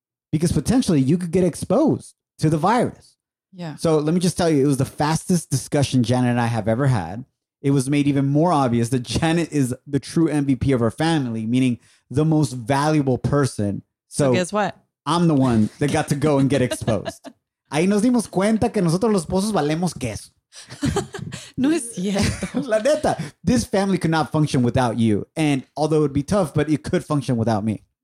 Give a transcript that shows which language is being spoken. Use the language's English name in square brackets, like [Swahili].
[English] Because potentially you could get exposed to the virus. Yeah. So let me just tell you, it was the fastest discussion Janet and I have ever had. It was made even more obvious that Janet is the true MVP of our family, meaning the most valuable person. So guess what? I'm the one that got to go and get exposed. [Spanish] Ahí nos dimos cuenta que nosotros los esposos valemos queso. No es cierto. [English] La neta, this family could not function without you. And although it would be tough, but it could function without me.